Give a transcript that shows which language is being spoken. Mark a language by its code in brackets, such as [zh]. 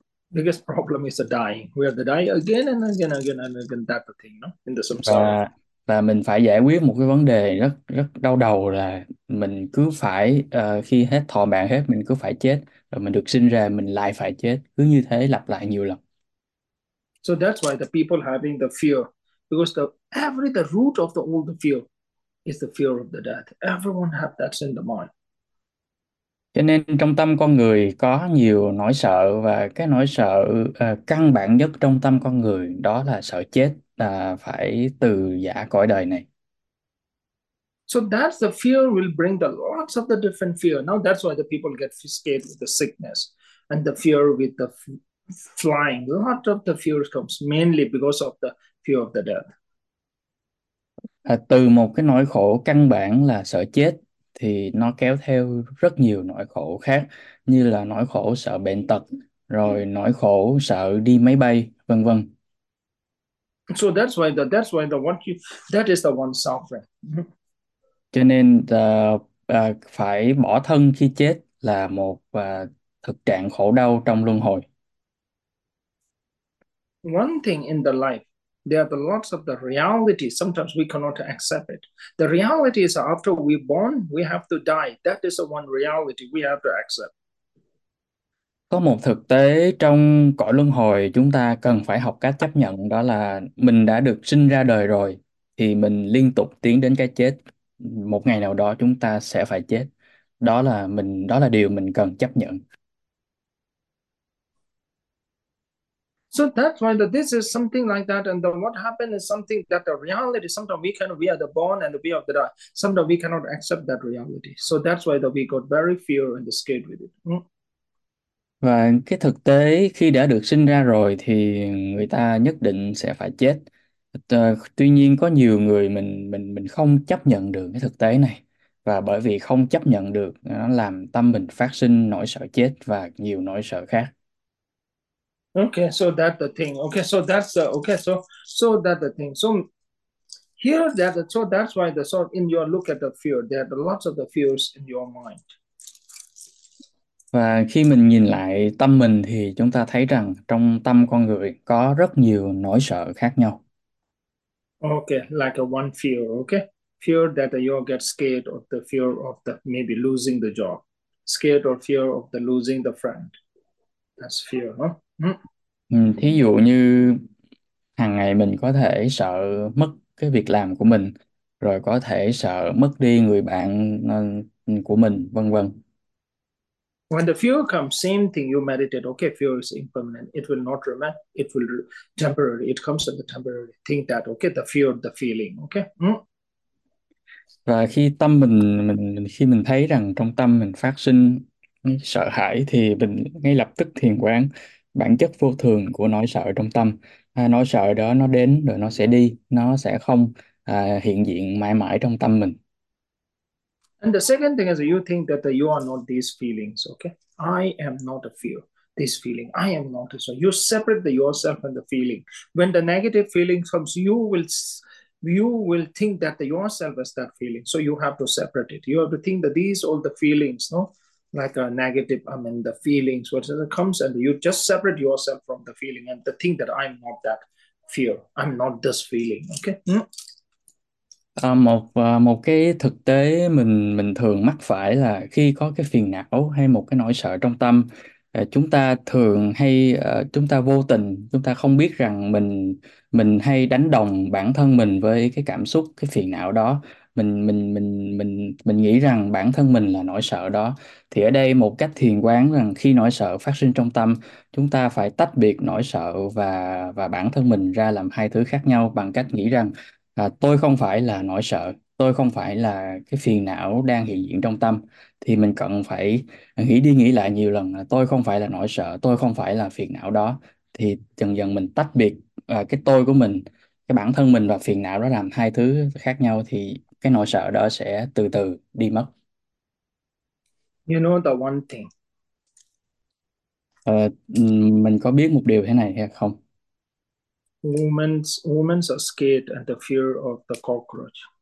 [en] Biggest problem is dying. We have to die again and again and again and again, that thing, no? In the samsara. [vi] Và mình phải giải quyết một cái vấn đề rất rất đau đầu là mình cứ phải khi hết thọ mạng hết mình cứ phải chết, rồi mình được sinh ra mình lại phải chết, cứ như thế lặp lại nhiều lần. [en] So that's why the people having the fear, because the root of the all the fear is the fear of the death. Everyone have that in the mind. [vi] Cho nên trong tâm con người có nhiều nỗi sợ, và cái nỗi sợ căn bản nhất trong tâm con người đó là sợ chết, là phải từ giã cõi đời này. [en] So that's the fear will bring the lots of the different fear. Now that's why the people get scared with the sickness and the fear with the flying. A lot of the fear comes mainly because of the fear of the death. [vi] Từ một cái nỗi khổ căn bản là sợ chết thì nó kéo theo rất nhiều nỗi khổ khác, như là nỗi khổ sợ bệnh tật, rồi nỗi khổ sợ đi máy bay, vân vân. [en] That's why the one you that is the one suffering. [vi] Cho nên phải bỏ thân khi chết là một thực trạng khổ đau trong luân hồi. [en] One thing in the life, there are the lots of the reality. Sometimes we cannot accept it. The reality is after we born, we have to die. That is the one reality we have to accept. [vi] Có một thực tế trong cõi luân hồi chúng ta cần phải học cách chấp nhận, đó là mình đã được sinh ra đời rồi thì mình liên tục tiến đến cái chết. Một ngày nào đó chúng ta sẽ phải chết. Đó là điều mình cần chấp nhận. [en] So that's why that this is something like that, and then what happened is something that the reality. Sometimes we are the born and we are the die. Sometimes we cannot accept that reality. So that's why that we got very fear and scared with it. [vi] Và cái thực tế khi đã được sinh ra rồi thì người ta nhất định sẽ phải chết. Tuy nhiên có nhiều người mình không chấp nhận được cái thực tế này, và bởi vì không chấp nhận được nó làm tâm mình phát sinh nỗi sợ chết và nhiều nỗi sợ khác. [en] Okay, so that the thing. Okay, so that's the okay. So that the thing. So here that the, so that's why the so in your look at the fear, there are lots of the fears in your mind. [vi] Và khi mình nhìn lại tâm mình thì chúng ta thấy rằng trong tâm con người có rất nhiều nỗi sợ khác nhau. [en] Okay, like a one fear. Okay, fear that you get scared of the fear of the maybe losing the job, scared of fear of the losing the friend. That's fear, huh? [vi] Thí dụ như hàng ngày mình có thể sợ mất cái việc làm của mình, rồi có thể sợ mất đi người bạn của mình, vân vân. [en] When the fear comes, same thing, you meditate. Okay, fear is impermanent. It will not remain. It will temporary. It comes as a temporary. Think that, okay, the fear, the feeling, okay? [vi] Và khi tâm mình khi mình thấy rằng trong tâm mình phát sinh sợ hãi thì mình ngay lập tức thiền quán bản chất vô thường của nỗi sợ trong tâm. Nỗi sợ đó nó đến rồi nó sẽ đi, nó sẽ không hiện diện mãi mãi trong tâm mình. [en] And the second thing is you think that you are not these feelings, okay? I am not a fear, this feeling. I am not a soul. You separate yourself and the feeling. When the negative feeling comes, you will think that yourself is that feeling. So you have to separate it. You have to think that these all the feelings, no? Like a negative, I mean, the feelings, whatever comes, and you just separate yourself from the feeling and the thing that I'm not that fear. I'm not this feeling, okay? [vi] Một một cái thực tế mình thường mắc phải là khi có cái phiền não hay một cái nỗi sợ trong tâm, chúng ta thường hay chúng ta vô tình, chúng ta không biết rằng mình hay đánh đồng bản thân mình với cái cảm xúc cái phiền não đó. Mình nghĩ rằng bản thân mình là nỗi sợ đó. Thì ở đây một cách thiền quán rằng khi nỗi sợ phát sinh trong tâm, chúng ta phải tách biệt nỗi sợ và bản thân mình ra làm hai thứ khác nhau bằng cách nghĩ rằng tôi không phải là nỗi sợ, tôi không phải là cái phiền não đang hiện diện trong tâm. Thì mình cần phải nghĩ đi nghĩ lại nhiều lần là tôi không phải là nỗi sợ, tôi không phải là phiền não đó. Thì dần dần mình tách biệt cái tôi của mình, cái bản thân mình và phiền não đó làm hai thứ khác nhau, thì cái nỗi sợ đó sẽ từ từ đi mất. [en] You know the one thing. [vi] Mình có biết một điều thế này hay không? [en] Women are scared at the fear of the cockroach.